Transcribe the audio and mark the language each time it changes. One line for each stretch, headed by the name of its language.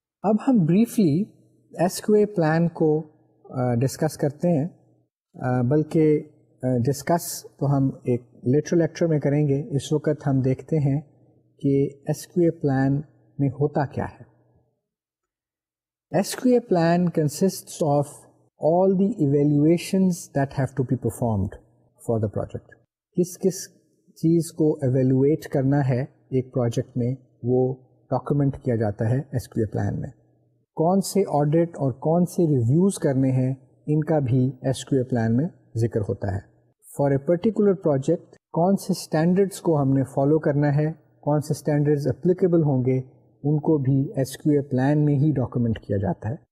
Urdu: اب ہم briefly S Q a plan کو ڈسکس کرتے ہیں, بلکہ ڈسکس تو ہم ایک لیٹر لیکچر میں کریں گے. اس وقت ہم دیکھتے ہیں کہ ایس کیو اے پلان میں ہوتا کیا ہے.
English: S Q A plan consists of all the evaluations that have to be performed for the project.
Urdu: کس کس چیز کو ایویلیویٹ کرنا ہے ایک پروجیکٹ میں, وہ ڈاکیومنٹ کیا جاتا ہے ایس کیو اے پلان میں. کون سے آڈٹ اور کون سے ریویوز کرنے ہیں, ان کا بھی ایس کیو اے پلان میں ذکر ہوتا ہے. فار اے پرٹیکولر پروجیکٹ کون سے اسٹینڈرڈس کو ہم نے فالو کرنا ہے, کون سے اسٹینڈرڈز اپلیکیبل ہوں گے, ان کو بھی ایس کیو اے پلان میں ہی ڈاکیومنٹ کیا جاتا ہے.